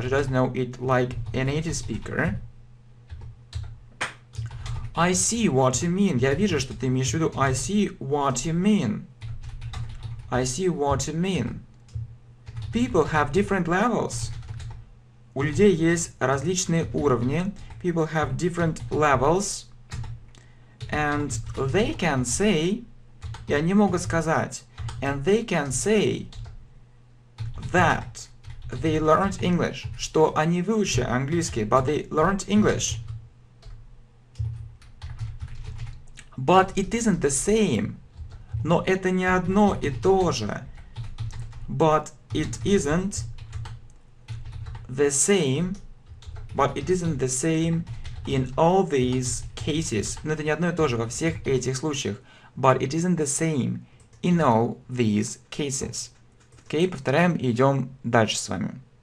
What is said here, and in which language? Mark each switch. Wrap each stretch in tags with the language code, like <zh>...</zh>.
<en>She doesn't know it like a native speaker. I see what you mean.</en> <ru>Я вижу, что ты имеешь в виду.</ru> <en>I see what you mean. People have different levels.</en> <ru>У людей есть различные уровни.</ru> <en>People have different levels. And they can say...</en> <ru>И они могут сказать...</ru> <en>And they can say... that they learned English.</en> <ru>Что они выучили английский.</ru> <en>But they learned English. But it isn't the same.</en> <ru>Но это не одно и то же.</ru> <en>But it isn't the same. But it isn't the same in all these cases.</en> <ru>Но это не одно и то же во всех этих случаях.</ru> <en>But it isn't the same in all these cases.</en> <ru>Окей, повторяем и идем дальше с вами.</ru>